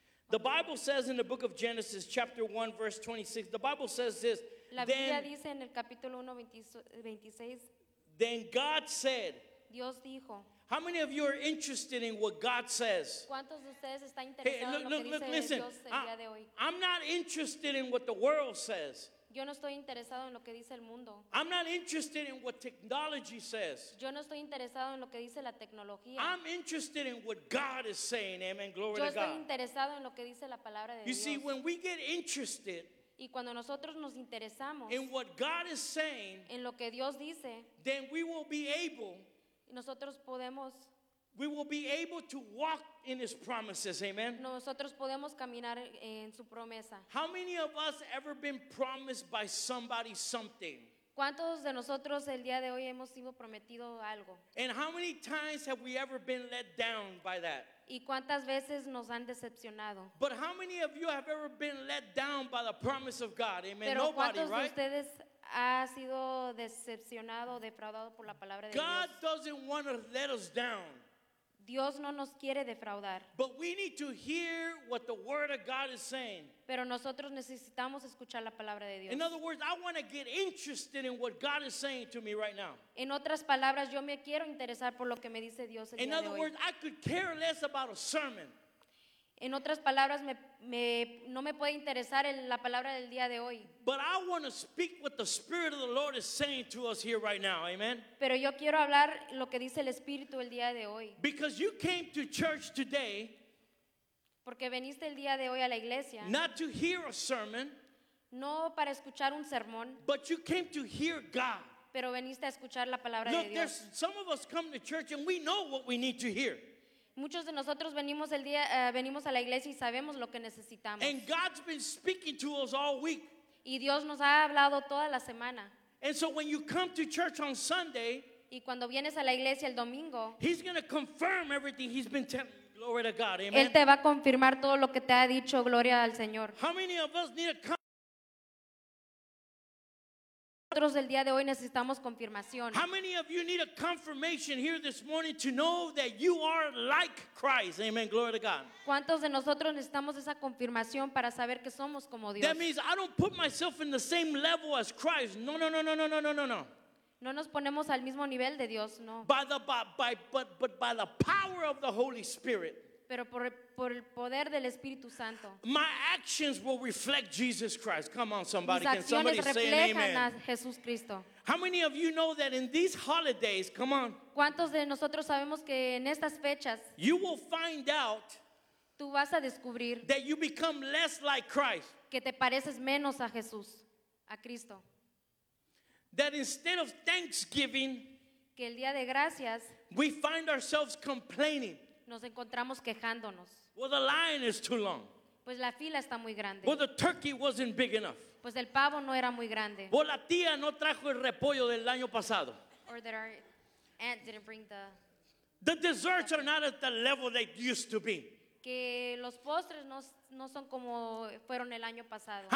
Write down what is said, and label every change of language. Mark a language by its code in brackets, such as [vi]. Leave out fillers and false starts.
[en] The Bible says in the book of Genesis, chapter 1, verse 26, the Bible says this, [es] La Biblia dice en el capítulo 1, 26, [en] then God said, [es] Dios dijo, [en] how many of you are interested in what God says? [es] ¿Cuántos de ustedes están interesados [en] hey, look, [es] en lo que [en] look, [es] dice [en] listen, [es] Dios el día de hoy? [en] I'm not interested in what the world says. [es] Yo no estoy interesado en lo que dice el mundo. [en] I'm not interested in what technology says. [es] Yo no estoy interesado en lo que dice la tecnología. [en] I'm interested in what God is saying, amen, glory [es] Yo [en] to God. [es] Yo estoy interesado en lo que dice la palabra de [en] you [es] Dios. [en] You see, when we get interested [es] y cuando nosotros nos interesamos [en] in what God is saying, [es] en lo que Dios dice, [en] then we will be able, [es] nosotros podemos, [en] we will be able to walk in his promises, amen? [es] Nosotros podemos caminar en su promesa. [en] How many of us ever been promised by somebody something? [es] ¿Cuántos de nosotros el día de hoy hemos sido prometido algo? [en] And how many times have we ever been let down by that? [es] ¿Y cuántas veces nos han decepcionado? [en] But how many of you have ever been let down by the promise of God? Amen. [es] Pero [en] nobody, [es] ¿cuántos [en] right? [es] De ustedes ha sido decepcionado, defraudado por la palabra de [en] God [es] Dios? [en] God doesn't want to let us down. [es] Dios no nos quiere defraudar. [en] But we need to hear what the word of God is saying. [es] Pero nosotros necesitamos escuchar la palabra de Dios. [en] In other words, I want to get interested in what God is saying to me right now. [es] En otras palabras, yo me quiero interesar por lo que me dice Dios el día de hoy. [en] In other words, I could care less about a sermon. [es] En otras palabras, no me puede interesar la palabra del día de hoy. [en] But I want to speak what the Spirit of the Lord is saying to us here right now, amen? [es] Pero yo quiero hablar lo que dice el Espíritu el día de hoy. [en] Because you came to church today, [es] porque veniste el día de hoy a la iglesia, [en] not to hear a sermon, [es] no para escuchar un sermón, [en] but you came to hear God. [es] Pero veniste a escuchar la palabra [en] Look, [es] de Dios. [en] Look, some of us come to church and we know what we need to hear. [es] Muchos de nosotros venimos el día venimos a la iglesia y sabemos lo que necesitamos. [en] And God's been speaking to us all week. [es] Y Dios nos ha hablado toda la semana. [en] And so when you come to church on Sunday, [es] y cuando vienes a la iglesia el domingo, [en] he's going to confirm everything he's been telling you. Glory to God. Amen. [es] Él te va a confirmar todo lo que te ha dicho, gloria al Señor. [en] How many of us need a [es] Nosotros el día de hoy necesitamos confirmación. [en] How many of you need a confirmation here this morning to know that you are like Christ? Amen. Glory to God. [es] ¿Cuántos de nosotros necesitamos esa confirmación para saber que somos como Dios? [en] That means I don't put myself in the same level as Christ. [es] No, no, no, no, no, no, no, no, no. No nos ponemos al mismo nivel de Dios, no. [en] By the power of the Holy Spirit. [es] Pero por el poder del Espíritu Santo. [en] My actions will reflect Jesus Christ. Come on, somebody. [es] Mis acciones [en] Can somebody [es] reflejan [en] say an amen? [es] A Jesús Cristo. [en] How many of you know that in these holidays, come on. [es] ¿Cuántos de nosotros sabemos que en estas fechas, [en] you will find out [es] Tú vas a descubrir [en] that you become less like Christ. [es] Que te pareces menos a Jesús, a Cristo. [en] That instead of thanksgiving, [es] que el día de gracias, [en] we find ourselves complaining. [es] Nos encontramos quejándonos. [en] Well, the line is too long. [es] Pues la fila está muy grande. [en] Well, the turkey wasn't big enough. [es] Pues el pavo no era muy grande. Well, la tía no trajo el repollo del año pasado. [en] Or that our aunt didn't bring the... The desserts are not at the level they used to be. [es] Que los postres no son como fueron el año pasado.